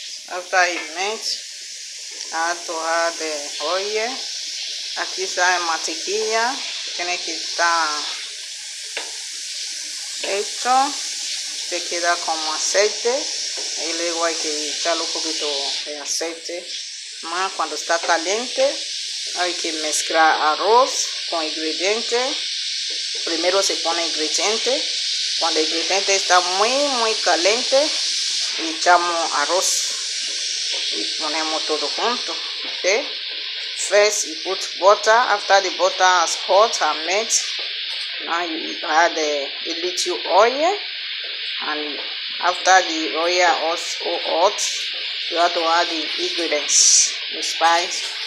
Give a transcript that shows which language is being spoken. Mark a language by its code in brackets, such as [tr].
[en] After it melts, I have to add the oil. [es] Aquí está la mantequilla, tiene que estar esto, te queda como aceite, y luego hay que echar un poquito de aceite. Más cuando está caliente, hay que mezclar arroz con ingredientes. Primero se pone ingrediente. Cuando el ingrediente está muy caliente, echamos arroz y ponemos todo junto, okay? [en] First, you put butter. After the butter has hot and melt, now you add a little oil. And after the oil is hot, you have to add the ingredients, the spice.